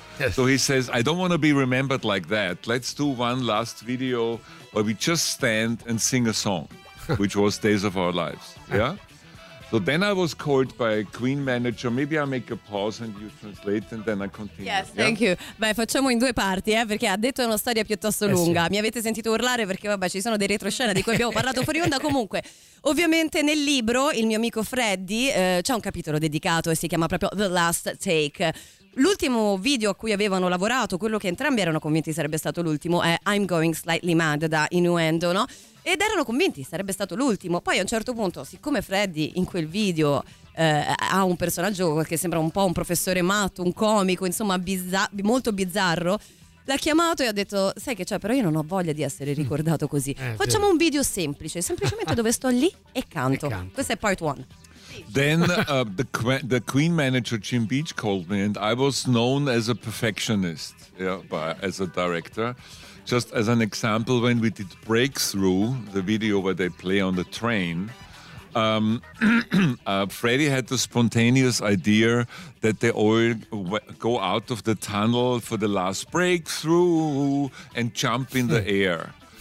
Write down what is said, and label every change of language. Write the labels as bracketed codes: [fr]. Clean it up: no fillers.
[en] Yes. So he says, "I don't want to be remembered like that. Let's do one last video where we just stand and sing a song," which was Days of Our Lives. Yeah. So then I was called by a Queen manager. Maybe I make a pause and you translate and then I continue. Yes, yeah? Thank you. [it] Beh, facciamo in due parti, perché ha detto una storia piuttosto lunga. Sì. Mi avete sentito urlare perché, vabbè, ci sono dei retroscena di cui abbiamo parlato fuori onda. Comunque, ovviamente nel libro, Il Mio Amico Freddy, c'è un capitolo dedicato e si chiama proprio The Last Take. L'ultimo video a cui avevano lavorato, quello che entrambi erano convinti sarebbe stato l'ultimo, è I'm Going Slightly Mad, da Innuendo, no? Ed erano convinti sarebbe stato l'ultimo. Poi a un certo punto, siccome Freddy in quel video ha un personaggio che sembra un po' un professore matto, un comico, insomma molto bizzarro, l'ha chiamato e ha detto: "Sai che c'è, però io non ho voglia di essere ricordato così. Facciamo un video semplice, semplicemente dove sto lì e canto." Questo è [en] part one. Then the Queen manager Jim Beach called me, and I was known as a perfectionist, as a director. Just as an example, when we did Breakthrough, the video where they play on the train, Freddie had the spontaneous idea that they all go out of the tunnel for the last breakthrough and jump in the air.